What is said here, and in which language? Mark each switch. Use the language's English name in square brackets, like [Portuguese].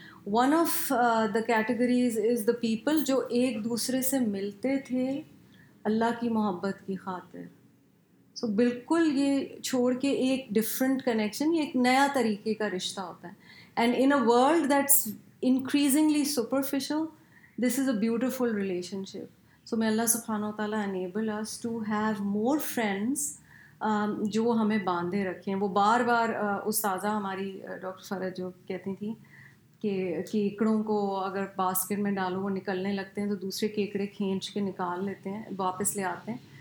[English] one of the categories is the people [Urdu] جو ایک دوسرے سے ملتے تھے اللہ کی محبت کی خاطر. سو بالکل یہ چھوڑ کے ایک ڈفرینٹ کنیکشن, یہ ایک نیا طریقے کا رشتہ ہوتا ہے. [English] And in a world that's increasingly superficial, this is a beautiful relationship. [Urdu] سو میں اللہ سبحانہ وتعالیٰ [English] enable us to have more friends [Urdu] جو ہمیں باندھے رکھیں. وہ بار بار استاذہ ہماری ڈاکٹر فرج جو کہتی تھیں کہ کیکڑوں کو اگر باسکٹ میں ڈالو وہ نکلنے لگتے ہیں تو دوسرے کیکڑے کھینچ کے نکال لیتے ہیں, واپس لے آتے ہیں.